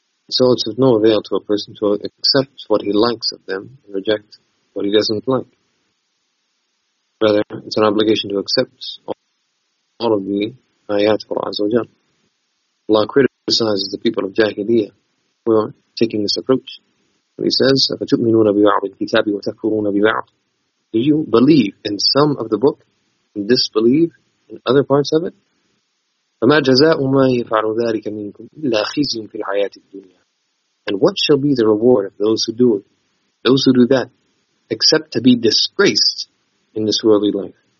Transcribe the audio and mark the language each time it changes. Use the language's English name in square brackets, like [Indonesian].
[English] So it's of no avail to a person to accept what he likes of them and reject what he doesn't like. Rather, it's an obligation to accept all of the ayat of Allah Azza wa Jalla. Allah criticizes the people of Jahiliyyah who are taking this approach. And he says, [Arabic] أَفَتُؤْمِنُونَ بِبَعْضِ الْكِتَابِ وَتَكْفُرُونَ بِبَعْضٍ. [English] Do you believe in some of the book and disbelieve in other parts of it? [Arabic] فَمَا جَزَاءُ مَا يَفْعَلُ ذَٰلِكَ مِنْكُمْ إِلَّا خِزْيٌ فِي الْحَيَاةِ الدُّنْيَا. [English] And what shall be the reward of those who do it, those who do that, except to be disgraced in this worldly life?